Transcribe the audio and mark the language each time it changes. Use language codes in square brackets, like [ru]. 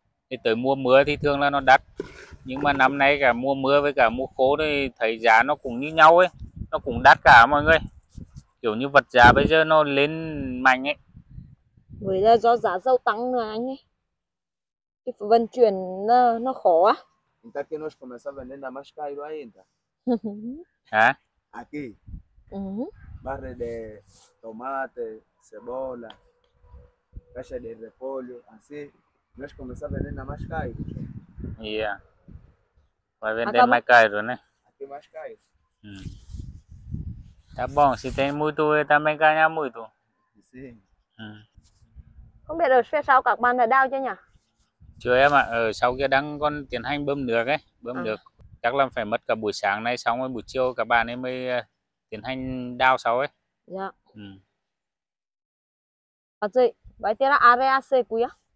[vi] Thì tới mùa mưa thì thường là nó đắt, nhưng mà năm nay cả mùa mưa với cả mùa khô thì thấy giá nó cũng như nhau ấy, nó cũng đắt cả mọi người, kiểu như vật giá bây giờ nó lên mạnh ấy. Với là do giá rau tăng rồi anh ấy. Vận chuyển nó khó á. [pt] Então que nós começamos vendendo mais caro ainda. Hã? Aqui. Barra de tomate, cebola, caixa de repolho, assim, nós começamos vendendo mais caro. Yeah. Vai vender mais caro, né? Aqui mais caro. Tá bom, se tem muito, eu também ganho muito. Sim. [vi] Không biết ở phía sau các bạn là đau chưa nhỉ? Chưa em ạ, ở sau kia đang còn tiến hành bơm nước ấy, bơm nước. Chắc là phải mất cả buổi sáng nay xong rồi buổi chiều các bạn ấy mới tiến hành đào sau ấy. Dạ. Ừ. À chị, vậy thì là area C quý á.